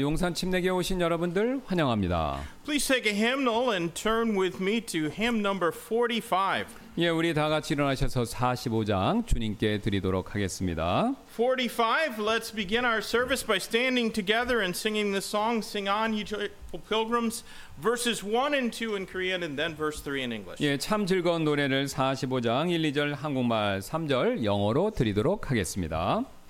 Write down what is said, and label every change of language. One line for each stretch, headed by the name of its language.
Korean: 용산 침례교회 오신 여러분들 환영합니다.
English: Please take a hymnal and turn with me to hymn number 45.
Korean: 예, 우리 다 같이 일어나셔서 45장 주님께 드리도록 하겠습니다. 45.
English: Let's begin our service by standing together and singing the song "Sing On, Ye Joyful Pilgrims," verses 1 and 2 in Korean, and then verse 3 in English.
Korean: 예, 참 즐거운 노래를 45장 1, 2절 한국말, 3절 영어로 드리도록 하겠습니다.